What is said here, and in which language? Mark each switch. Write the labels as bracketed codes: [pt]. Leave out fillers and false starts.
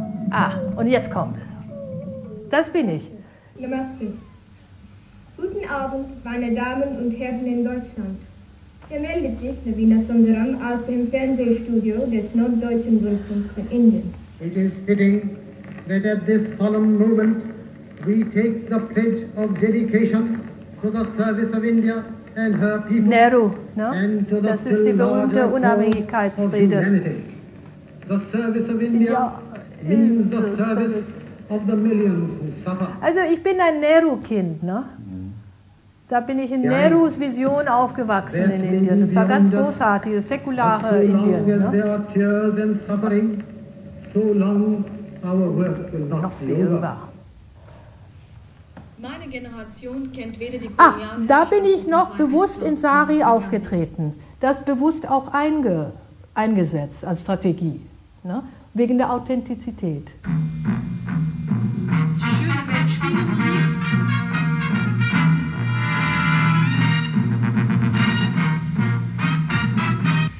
[de] Ah, und jetzt kommt es. Das bin ich. [hi] Namaste. [de] Guten Abend, meine Damen und Herren in Deutschland. Hier meldet sich Navina Sundaram aus dem Fernsehstudio des Norddeutschen Rundfunks in Indien. [en] It is fitting that at this solemn moment we take the pledge of dedication to the service of India and her people. [de] Nehru, ne? [en] And to the [de] das ist die berühmte Unabhängigkeitsrede. [en] The service of India, means the service of the millions who suffer. [de] Also ich bin ein Nehru-Kind, ne? Da bin ich in Nehrus Vision aufgewachsen in Indien. Das war ganz großartig, das säkulare Indien. [en] So long as there are tears and suffering, so long our work will not be over. [de] Meine Generation kennt weder die Kolonialherrschaft. Ach, da bin ich noch bewusst in Sari aufgetreten. Das bewusst auch eingesetzt als Strategie, ne? Wegen der Authentizität. Die schöne Weltspiegel.